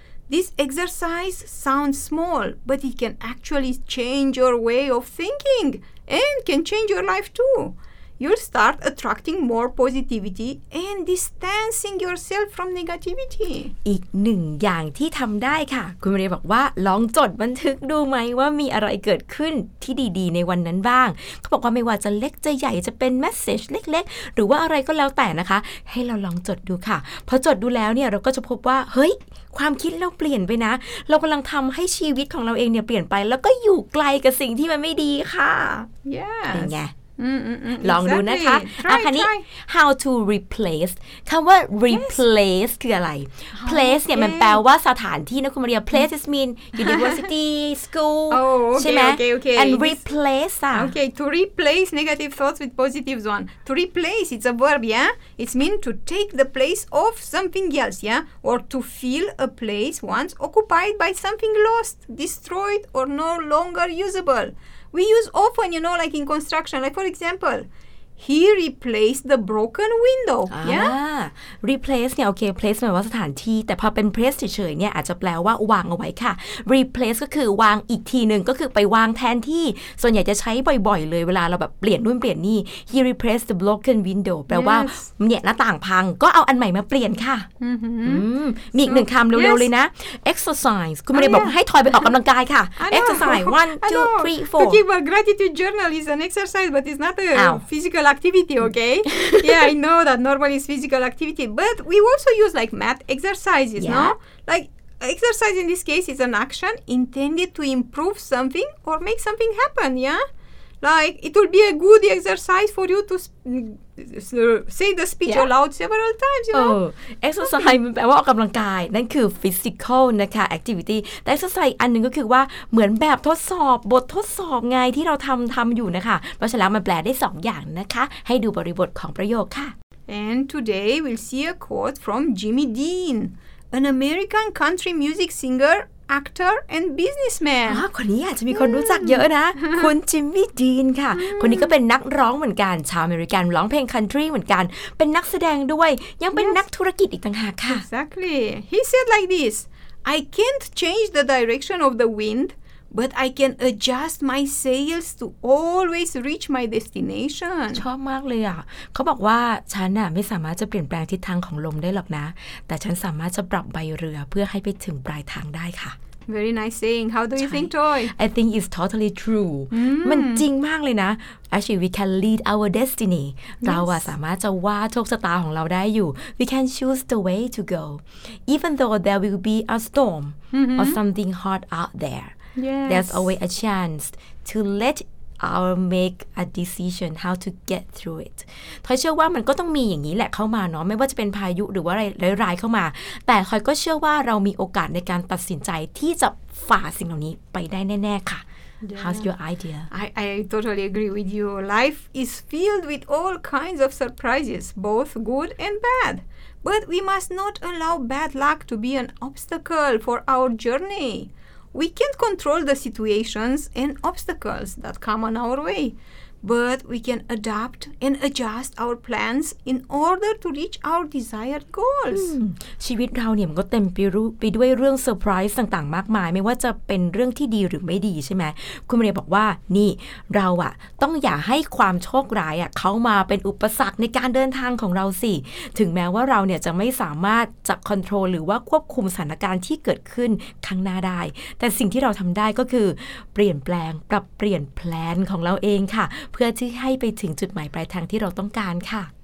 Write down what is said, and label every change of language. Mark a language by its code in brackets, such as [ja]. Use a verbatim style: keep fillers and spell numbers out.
[en] This exercise sounds small, but it can actually change your way of thinking and can change your life too. you'll start attracting more positivity and distancing yourself from negativity. [th] อีกหนึ่งอย่างที่ทำได้ค่ะคุณมาเรียบอกว่าลองจดบันทึกดูไหมว่ามีอะไรเกิดขึ้นที่ดีๆในวันนั้นบ้างเขาบอกว่าไม่ว่าจะเล็กจะใหญ่จะเป็นแมสเสจเล็กๆหรือว่าอะไรก็แล้วแต่นะคะให้เราลองจดดูค่ะพอจดดูแล้วเนี่ยเราก็จะพบว่าเฮ้ยความคิดเราเปลี่ยนไปนะเรากำลังทำให้ชีวิตของเราเองเนี่ยเปลี่ยนไปแล้วก็อยู่ไกลกับสิ่งที่มันไม่ดีค่ะ [en] yes. [th] เป็นไง ล องดูนะคะอ่ะคันนี้ [en] how to replace [th] คำว่า replace คืออะไร place เนี่ยมันแปลว่าสถานที่นะคุณมาเรีย [en] place is mean university school [th] ใช่ไหม [en] and replace [th] อ่ะ [en] okay to replace negative thoughts with positive one to replace it's a verb yeah it's mean to take the place of something else yeah or to fill a place once occupied by something lost destroyed or no longer usable we use often you know like in construction like for example he replaced the broken window อ่า yeah? [th] replace เนี่ยโอเค place หมายว่าสถานที่แต่พอเป็น place เฉยๆเนี่ยอาจจะแปลว่าวางเอาไว้ค่ะ replace ก็คือวางอีกทีหนึ่งก็คือไปวางแทนที่ส่วนใหญ่จะใช้บ่อยๆเลยเวลาเราแบบเปลี่ยนนู่นเปลี่ยนนี่ [en] he replaced the broken window [th] แปลว่าเนี่ยหน้าต่างพังก็เอาอันใหม่มาเปลี่ยนค่ะ mm-hmm. อืมมีอีกหนึ่งคำเร็วๆเลยนะ exercise คุณไม่ได้บอกให้ทอยไปออกกำลังกายค่ะ [en] exercise one two three four talking about gratitude journal is an exercise but it's not a physical activity okay yeah I know that normally it's physical activity but we also use like math exercises yeah. no like exercise in this case is an action intended to improve something or make something happen yeah like it will be a good exercise for you to sp- say the speech yeah. aloud several times you know [th] เอ็กซ์เซอร์ไซส์มันแปลว่าออกกำลังกายนั่นคือ physical นะคะ activity แต่ exercise อันนึงก็คือว่าเหมือนแบบทดสอบบททดสอบไงที่เราทำทำอยู่นะคะเพราะฉะนั้นมันแปลได้สองอย่างนะคะให้ดูบริบทของประโยคค่ะ [en] and today we'll see a quote from Jimmy Dean an American country music singer actor and businessman [th] อ๋อคนนี้อาจจะมีคนรู้จักเยอะนะคุณจิมมี่ดีนค่ะคนนี้ก็เป็นนักร้องเหมือนกันชาวอเมริกันร้องเพลงคันทรีเหมือนกันเป็นนักแสดงด้วยยังเป็นนักธุรกิจอีกต่างหากค่ะ [en] Exactly he said like this I can't change the direction of the wind but I can adjust my sails to always reach my destination [th] ชอบมากเลยอ่ะเขาบอกว่าฉันน่ะไม่สามารถจะเปลี่ยนแปลงทิศทางของลมได้หรอกนะแต่ฉันสามารถจะปรับใบเรือเพื่อให้ไปถึงปลายทางได้ค่ะ [en] Very nice saying. How do you think, Joy? I think it's totally true. [th] มันจริงมากเลยนะ [en] Actually, we can lead our destiny. [th] เราอะสามารถจะวาดโชคชะตาของเราได้อยู่ [en] We can choose the way to go, even though there will be a storm or something hot out there. There's always a chance to let our make a decision how to get through it. [th] ทอยเชื่อว่ามันก็ต้องมีอย่างนี้แหละเข้ามาเนาะไม่ว่าจะเป็นพายุหรือว่าอะไรร้ายๆเข้ามาแต่ทอยก็เชื่อว่าเรามีโอกาสในการตัดสินใจที่จะฝ่าสิ่งเหล่านี้ไปได้แน่ๆค่ะ yeah. [en] How's your idea? I I totally agree with you. Life is filled with all kinds of surprises, both good and bad. But we must not allow bad luck to be an obstacle for our journey. We can't control the situations and obstacles that come on our way, but we can adapt and adjust our plans in order to reach our desired goals. [th] ชีวิตเราเนี่ยมันก็เต็มไปด้วยเรื่องเซอร์ไพรส์ต่างๆมากมายไม่ว่าจะเป็นเรื่องที่ดีหรือไม่ดีใช่ไหมคุณมาเรียบอกว่านี่เราอะต้องอย่าให้ความโชคร้ายอะเข้ามาเป็นอุปสรรคในการเดินทางของเราสิถึงแม้ว่าเราเนี่ยจะไม่สามารถจะคอนโทรลหรือว่าควบคุมสถานการณ์ที่เกิดขึ้นข้างหน้าได้แต่สิ่งที่เราทำได้ก็คือเปลี่ยนแปลงปรับเปลี่ยนแพลนของเราเองค่ะเพื่อที่ให้ไปถึงจุดหมายปลายทางที่เราต้องการค่ะ